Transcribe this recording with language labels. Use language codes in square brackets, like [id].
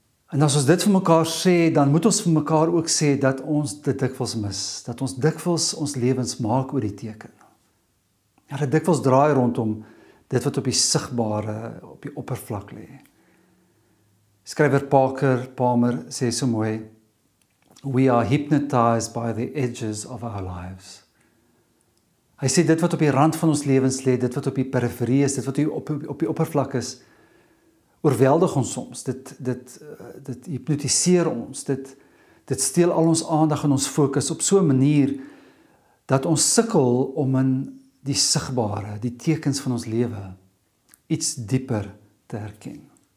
[af] En as ons dit vir mekaar sê, dan moet ons vir mekaar ook sê dat ons dit dikwels mis, dat ons dikwels ons lewens maak oor die teken. Ja, dit dikwels draai rondom dit wat op die sigbare, op die oppervlak lê. Skrywer Palmer sê so mooi: [en] "We are hypnotized by the edges of our lives." [af] Hy sê dit wat op die rand van ons lewens lê, dit wat op die periferie is, dit wat op die oppervlak is, oorweldig ons soms. Dit hypnotiseer ons. Dit steel al ons aandag en ons fokus op so 'n manier dat ons sukkel om in die sigbare, die tekens van ons lewe, iets dieper te herken.